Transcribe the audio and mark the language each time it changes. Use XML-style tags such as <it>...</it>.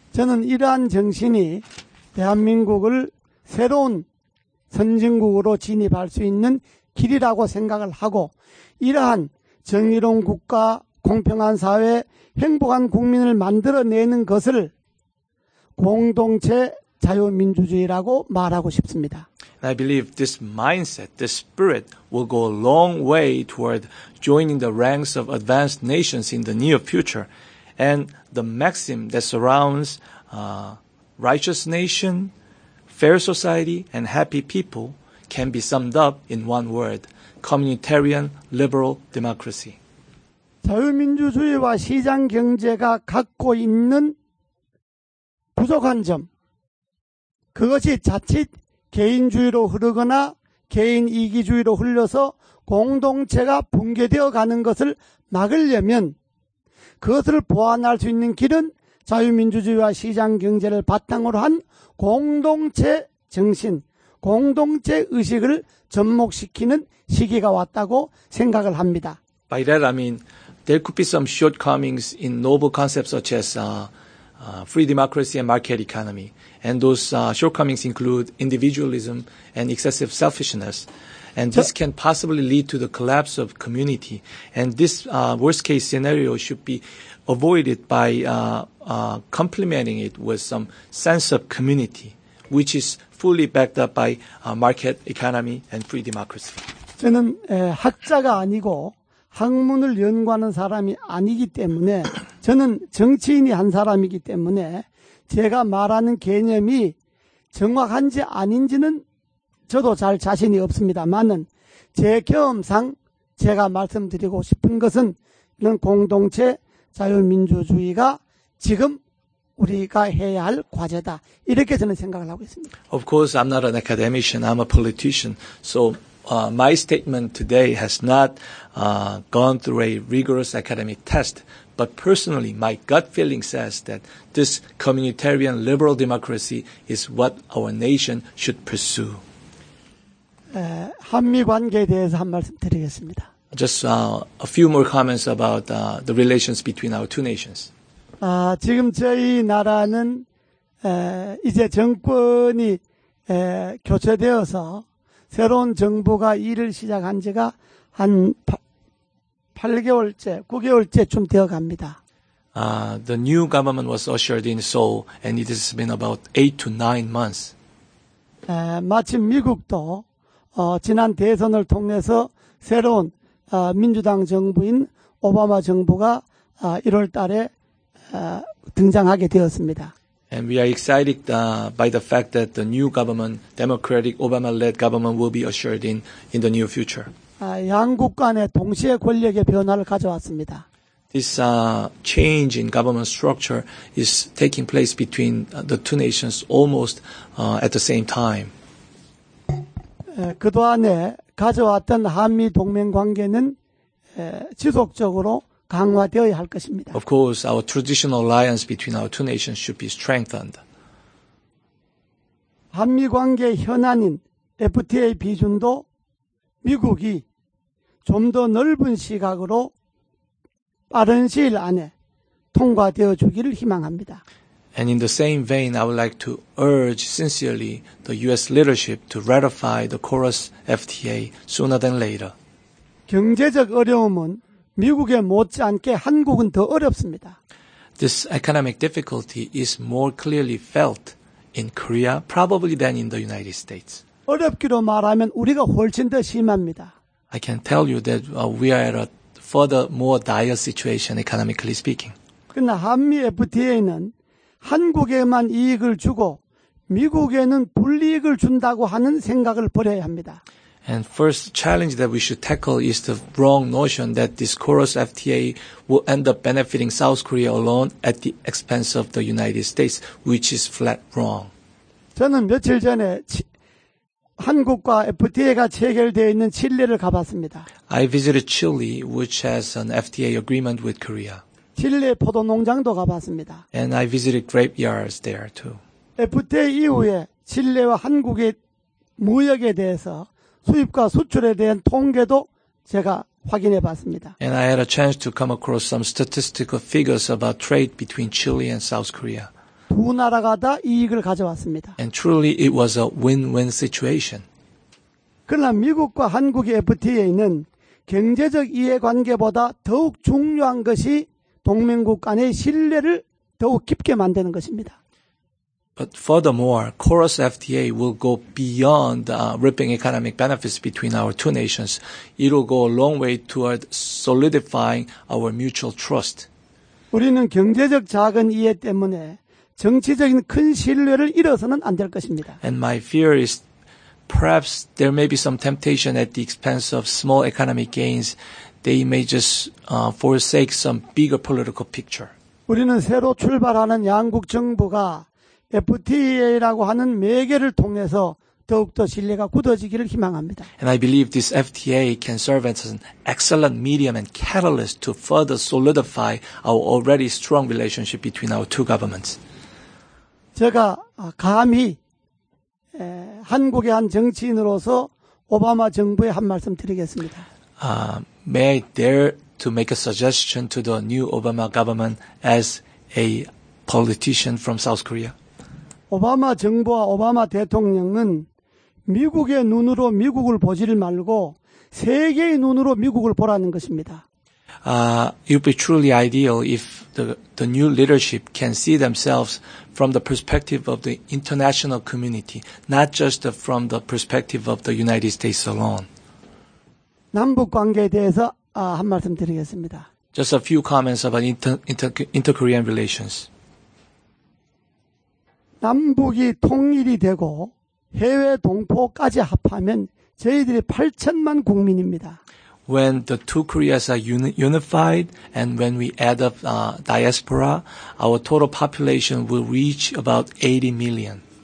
<ko>저는 이러한 정신이 대한민국을 새로운 선진국으로 진입할 수 있는 길이라고 생각을 하고 이러한 정의로운 국가, 공평한 사회, 행복한 국민을 만들어내는 것을 공동체 자유민주주의라고 말하고 싶습니다.</ko> <en>I believe this mindset, this spirit will go a long way toward joining the ranks of advanced nations in the near future. And the maxim that surrounds righteous nation, fair society, and happy people can be summed up in one word, communitarian liberal democracy.</en> <ko>자유민주주의와 시장경제가 갖고 있는 부족한 점, 그것이 자칫 개인주의로 흐르거나 개인이기주의로 흘려서 공동체가 붕괴되어 가는 것을 막으려면 그것을 보완할 수 있는 길은 자유민주주의와 시장경제를 바탕으로 한 공동체 정신, 공동체 의식을 접목시키는 시기가 왔다고 생각을 합니다.</ko> <en>By that I mean there could be some shortcomings in noble concepts such as free democracy and market economy. And those shortcomings include individualism and excessive selfishness. And this can possibly lead to the collapse of community. And this worst-case scenario should be avoided by complementing it with some sense of community, which is fully backed up by market economy and free democracy.</en> <ko>저는 학자가 아니고 학문을 연구하는 사람이 아니기 때문에 저는 정치인이 한 사람이기 때문에 제가 말하는 개념이 정확한지 아닌지는 저도 잘 자신이 없습니다만은 제 경험상 제가 말씀드리고 싶은 것은 이런 공동체 자유민주주의가 지금 우리가 해야 할 과제다 이렇게 저는 생각을 하고 있습니다.</ko> <en>Of course, I'm not an academician. I'm a politician. So my statement today has not gone through a rigorous academic test. But personally, my gut feeling says that this communitarian liberal democracy is what our nation should pursue.</en> <ko>한미 관계에 대해서 한 말씀 드리겠습니다.</ko> <en>Just a few more comments about the relations between our two nations.</en> <ko>지금 저희 나라는 이제 정권이 교체되어서 새로운 정부가 일을 시작한 지가 한 8개월째, 9개월째쯤 되어 갑니다.</ko> <en>The new government was ushered in Seoul and it has been about 8 to 9 months.</en> <ko>마침 미국도 지난 대선을 통해서 새로운 민주당 정부인 오바마 정부가 1월 달에 등장하게 되었습니다.</ko> <en>And we are excited by the fact that the new government, democratic Obama-led government will be ushered in the near future.</en> <ko>양국 간의 동시에 권력의 변화를 가져왔습니다.</ko> <en>This change in government structure is taking place between the two nations almost at the same time.</en> <ko>그동안에 가져왔던 한미 동맹 관계는 지속적으로 강화되어야 할 것입니다.</ko> <en>Of course, our traditional alliance between our two nations should be strengthened.</en> <ko>한미 관계 현안인 FTA 비준도 미국이 좀 더 넓은 시각으로 빠른 시일 안에 통과되어 주기를 희망합니다.</ko> <en>And in the same vein, I would like to urge sincerely the U.S. leadership to ratify the CORUS FTA sooner than later.</en> <ko>경제적 어려움은 미국에 못지않게 한국은 더 어렵습니다.</ko> <en>This economic difficulty is more clearly felt in Korea, probably than in the United States.</en> <ko>어렵기로 말하면 우리가 훨씬 더 심합니다.</ko> <en>I can tell you that we are at a further more dire situation economically speaking.</en> <ko>그러나 한미 FTA는 한국에만 이익을 주고 미국에는 불이익을 준다고 하는 생각을 버려야 합니다.</ko> <en>And first challenge that we should tackle is the wrong notion that this CORUS FTA will end up benefiting South Korea alone at the expense of the United States, which is flat wrong.</en> <ko>저는 며칠 전에 한국과 FTA가 체결되어 있는 칠레를 가봤습니다.</ko> <en>I visited Chile, which has an FTA agreement with Korea.</en> <ko>칠레 포도 농장도 가봤습니다.</ko> <en>And I visited grape yards there too.</en> <ko>FTA 이후에 칠레와 한국의 무역에 대해서 수입과 수출에 대한 통계도 제가 확인해 봤습니다.</ko> <en>And I had a chance to come across some statistical figures about trade between Chile and South Korea.</en> <ko>두 나라가 다 이익을 가져왔습니다.</ko> <en>And truly it was a win-win situation.</en> <ko>그러나 미국과 한국의 FTA는 경제적 이해관계보다 더욱 중요한 것이 동맹국 간의 신뢰를 더욱 깊게 만드는 것입니다.</ko> <en>But furthermore, CORUS FTA will go beyond ripping economic benefits between our two nations. It will go a long way toward solidifying our mutual trust.</en> <ko>우리는 경제적 작은 이해 때문에 정치적인 큰 신뢰를 잃어서는 안 될 것입니다.</ko> <en>And my fear is perhaps there may be some temptation at the expense of small economic gains. They may just forsake some bigger political picture.</en> <ko>우리는 새로 출발하는 양국 정부가 FTA라고 하는 매개를 통해서 더욱더 신뢰가 굳어지기를 희망합니다.</ko> <en>And I believe this FTA can serve as an excellent medium and catalyst to further solidify our already strong relationship between our two governments.</en> <ko>제가 감히 한국의 한 정치인으로서 오바마 정부에 한 말씀 드리겠습니다.</ko> <en>May I dare to make a suggestion to the new Obama government as a politician from South Korea?</en> <ko>오바마 정부와 오바마 대통령은 미국의 눈으로 미국을 보지를 말고 세계의 눈으로 미국을 보라는 것입니다.</ko> <en>It would be truly ideal if the new leadership can see themselves from the perspective of the international community, not just from the perspective of the United States alone.</en> <ko>남북 관계에 대해서 한 말씀 드리겠습니다.</ko> <en>Just a few comments about inter-Korean relations.</en> <ko>남북이 통일이 되고 해외 동포까지 합하면 저희들이 8천만 국민입니다.</ko> <en>When the two Koreas are unified and when we add up diaspora, our total population will reach about 80 million.</en>